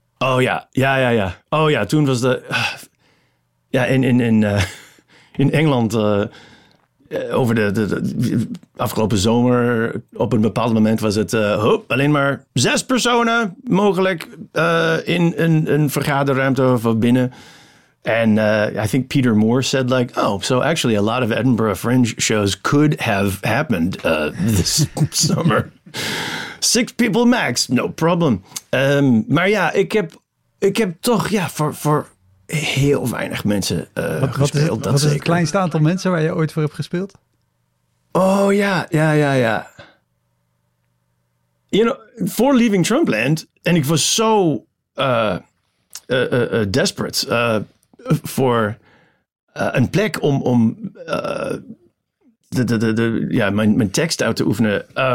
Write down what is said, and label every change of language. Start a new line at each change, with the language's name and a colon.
Dutch: Oh ja, ja, ja, ja. Oh ja, toen was de... Ja, in Engeland over de afgelopen zomer op een bepaald moment was het alleen maar 6 personen mogelijk in een vergaderruimte of binnen.
English: En I think Peter Moore said like, oh, so actually a lot of Edinburgh Fringe shows could have happened this summer. 6 people max, no problem.
Dutch: Maar ja, ik heb toch, ja, voor heel weinig mensen gespeeld. Wat is het kleinste aantal mensen waar je ooit voor hebt gespeeld? Oh ja, ja, ja, ja.
English: You know,
Dutch: voor Leaving Trumpland, en ik was zo desperate voor een plek om mijn tekst uit te oefenen.